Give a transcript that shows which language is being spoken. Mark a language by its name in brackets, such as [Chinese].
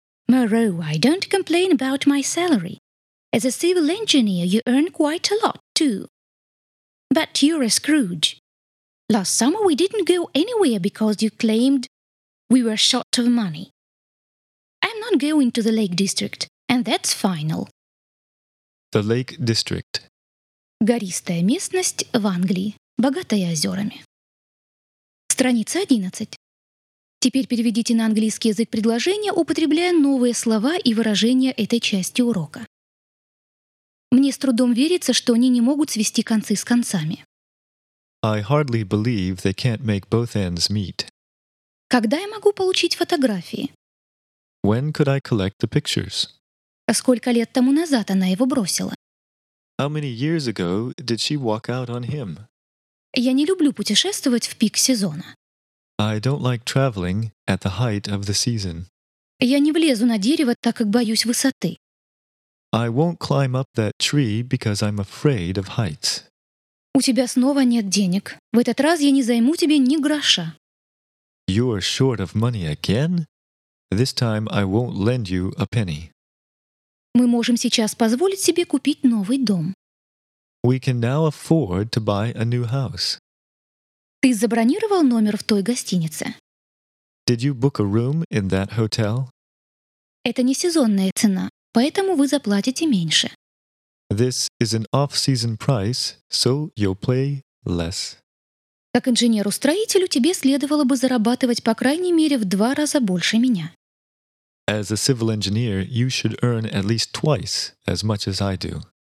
[English] Moreau, I don't complain about my salary. As a civil engineer, you earn quite a lot, too. But you're a Scrooge. Last summer we didn't go anywhere because you claimed we were short of money. I'm not going to the Lake District, and that's final. The Lake District. [Russian] Гористая местность в Англии, богатая озерами. Страница 11. Теперь переведите на английский язык предложение, употребляя новые слова и выражения этой части урока. Мне с трудом верится, что они не могут свести концы с концами. [English] I hardly believe they can't make both ends meet. [Russian] Когда я могу получить фотографии? [English] When could I collect the pictures? [Russian] Сколько лет тому назад она его бросила? [English] How many years ago did she walk out on him? [Russian] Я не люблю путешествовать в пик сезона. [English] I don't like traveling at the height of the season. [Russian] Я не влезу на дерево, так как боюсь высоты. [English] I won't climb up that tree because I'm afraid of heights. [Russian] У тебя снова нет денег. В этот раз я не займу тебе ни гроша. [English] You're short of money again? This time I won't lend you a penny. [Russian] Мы можем сейчас позволить себе купить новый дом. [English] We can now afford to buy a new house. [Russian] Ты забронировал номер в той гостинице? [English] Did you book a room in that hotel? [Russian] Это не сезонная цена, поэтому вы заплатите меньше. [English] This is an off-season price, so you'll pay less. [Russian] Как инженеру-строителю тебе следовало бы зарабатывать по крайней мере в два раза больше меня. [English] As a civil engineer, you should earn at least twice as much as I do.